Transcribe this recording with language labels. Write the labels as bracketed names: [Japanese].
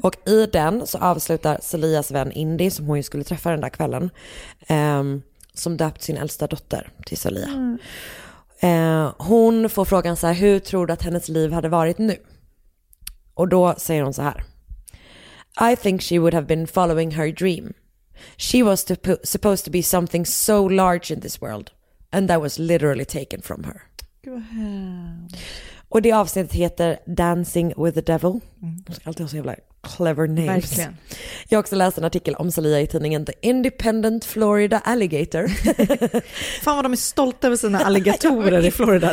[Swedish] Och i den så avslutar Salias vän Indy, som hon ju skulle träffa den där kvällen, som döpt sin äldsta dotter till Salia. Mm. Hon får frågan så här, hur tror du att hennes liv hade varit nu? Och då säger hon så här: [English] I think she would have been following her dream. She was supposed to be something so large in this world, and that was literally taken from her. Go ahead. [Swedish] Och det avsnittet heter Dancing with the Devil. Mm. Jag ska alltid ha så jävla [English] clever names. [Swedish] Verkligen. Jag har också läst en artikel om Saliha i tidningen The Independent Florida Alligator. Fan vad de är stolta över sina alligatorer i Florida.